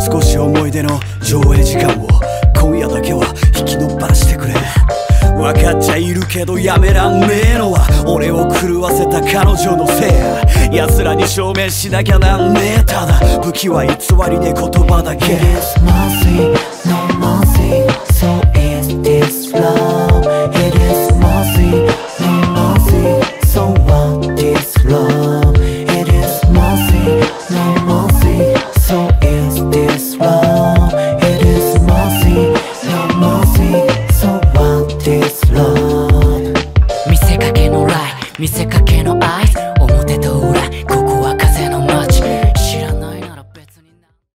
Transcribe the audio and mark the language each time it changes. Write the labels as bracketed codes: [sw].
[ja] 少し思い出の上映時間を今夜だけは引き伸ばしてくれ。分かっちゃいるけどやめらんねえのは俺を狂わせた彼女のせい。奴らに証明しなきゃなんねえ。ただ武器は偽りで言葉だけ。 [en] It is mercy, no mercy, so is this love. It is mercy, no mercy, so what is love. It is mercy, no mercy, so is this love. It is mercy, no mercy, so what is love. [ja] 見せかけのライ、見せかけのアイス、表と裏、ここは風の街。知らないなら別にな。